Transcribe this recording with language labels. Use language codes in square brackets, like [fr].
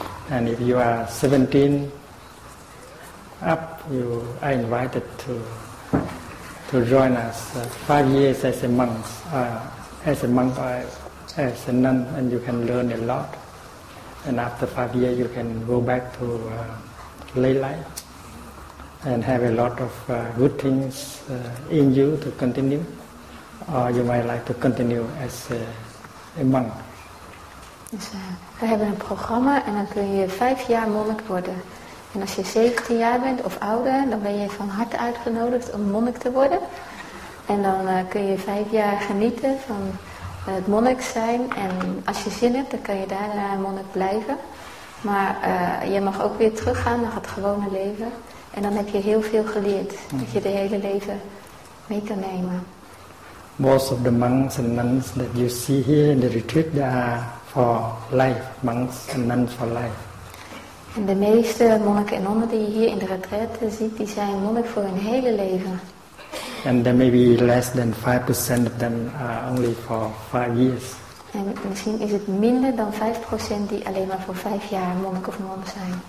[en] And if you are 17 up, you are invited to join us 5 years as a monk, as a nun, and you can learn a lot. And after 5 years, you can go back to lay life and have a lot of good things in you to continue. or you might like to continue as a monk. [nl] Dus we hebben een programma en dan kun je 5 jaar monnik worden. En als je 17 jaar bent of ouder, dan ben je van harte uitgenodigd om monnik te worden. En dan kun je 5 jaar genieten van het monnik zijn. En als je zin hebt, dan kan je daarna monnik blijven. Maar je mag ook weer teruggaan naar het gewone leven. En dan heb je heel veel geleerd, dat je de hele leven mee kan nemen. [en] Most of the monks and nuns that you see here in the retreat, they are for life, monks and nuns for life. [nl] En de meeste monniken en nonnen die je hier in de retraite ziet, die zijn monnik voor hun hele leven. [en] And there may be less than 5% of them are only for 5 years. [nl] En misschien is het minder dan 5% die alleen maar voor 5 jaar monnik of non zijn.